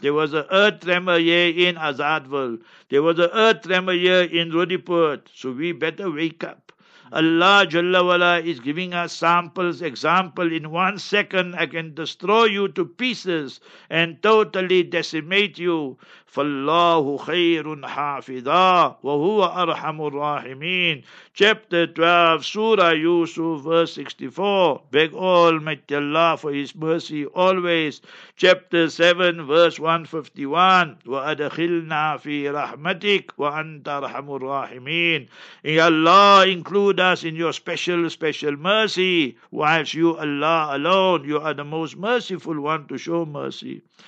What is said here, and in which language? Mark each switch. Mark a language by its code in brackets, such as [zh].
[en] There was an earth tremor here in Azadville. There was an earth tremor here in Rudiput. So we better wake up. Allah Jalla Wala is giving us samples, example. In 1 second, I can destroy you to pieces and totally decimate you. [ar] فَاللَّهُ خَيْرٌ حَافِظًا وَهُوَ أَرْحَمُ الرَّاحِمِينَ [en] Chapter 12, Surah Yusuf, verse 64. Beg Almighty Allah for His mercy always. Chapter 7, verse 151. [ar] وَأَدْخِلْنَا فِي رَحْمَتِكَ وَأَنْتَ أَرْحَمُ الرَّاحِمِينَ [en] Ya Allah, include us in your special, special mercy. Whilst you, Allah alone, you are the most merciful one to show mercy.